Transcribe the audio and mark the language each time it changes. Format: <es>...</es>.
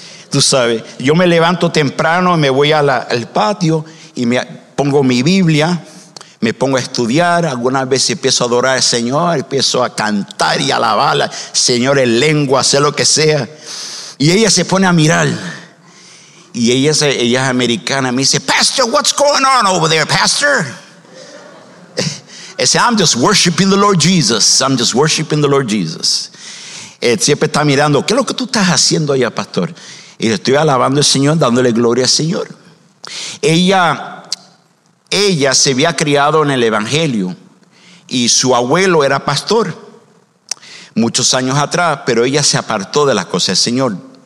<es>Tú sabes, yo me levanto temprano, me voy al patio y me pongo mi Biblia, me pongo a estudiar. Algunas veces empiezo a adorar al Señor, empiezo a cantar y a alabar al Señor en lengua, hacer lo que sea. Y ella se pone a mirar. Y ella es americana, me dice: Pastor,</es> <en>what's going on over there,</en> <es>Pastor? Dice:</es> <en>I'm just worshiping the Lord Jesus. I'm just worshiping the Lord Jesus.</en> <es>Siempre está mirando. ¿Qué es lo que tú estás haciendo allá, pastor? Y le estoy alabando al Señor, dándole gloria al Señor. Ella se había criado en el Evangelio y su abuelo era pastor muchos años atrás, pero ella se apartó de las cosas del Señor.</es>